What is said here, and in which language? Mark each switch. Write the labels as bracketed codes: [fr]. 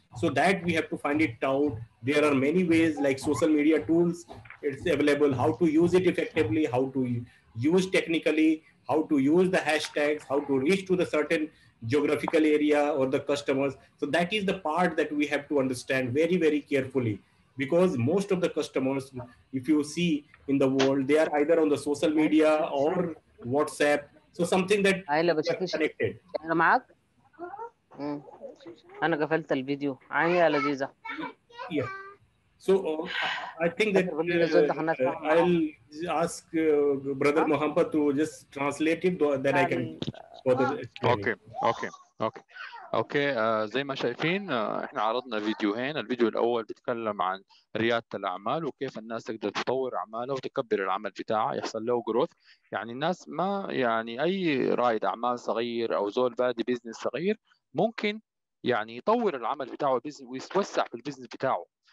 [en] So that we have to find it out. There are many ways, like social media tools, it's available, how to use it effectively, how to use technically, how to use the hashtags, how to reach to the certain geographical area or the customers. So that is the part that we have to understand very, very carefully, because most of the customers, if you see in the world, they are either on the social media or WhatsApp. So something that is connected. [ar] انا قفلت الفيديو عيني يا لذيذه [en] yeah. So I think that I'll ask brother Mohammed to just translate it, then I can for the okay. [ar] زي ما شايفين احنا عرضنا فيديوهين. الفيديو الاول بيتكلم عن ريادة الاعمال وكيف الناس تقدر تطور اعمالها وتكبر العمل بتاعها يحصل له جروث. يعني الناس ما يعني اي رائد اعمال صغير او زول بادي بزنس صغير ممكن يعني يطور العمل بتاعه ويتوسع في البيزنس بتاعه.